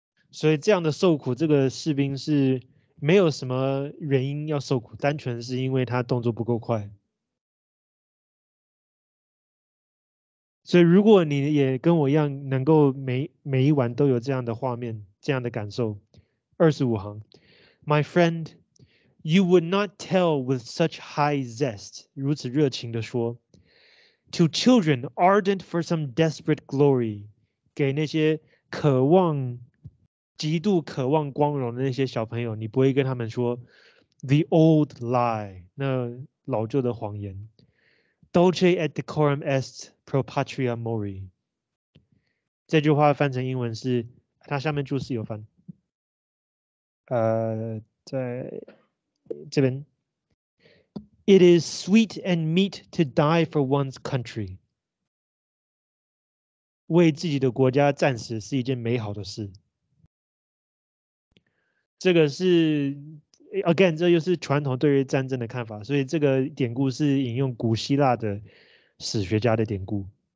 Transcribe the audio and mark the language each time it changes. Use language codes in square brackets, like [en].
[zh] 所以这样的受苦，这个士兵是没有什么原因要受苦，单纯是因为他动作不够快。所以如果你也跟我一样能够 每一晚都有这样的画面，这样的感受，25行 [en] My friend, you would not tell with such high zest, [zh] 如此热情地说 [en] To children ardent for some desperate glory, [zh] 给那些渴望极度渴望光荣的那些小朋友，你不会跟他们说 [en] The old lie, [zh] 那老旧的谎言 [la] Dulce et decorum est pro patria mori. [zh] 这句话翻成英文是，它下面注释有翻，在这边 [en] ，It is sweet and meet to die for one's country. [zh] 为自己的国家战死是一件美好的事。这个是。Again， 这又是传统对于战争的看法，所以这个典故是引用古希腊的史学家的典故。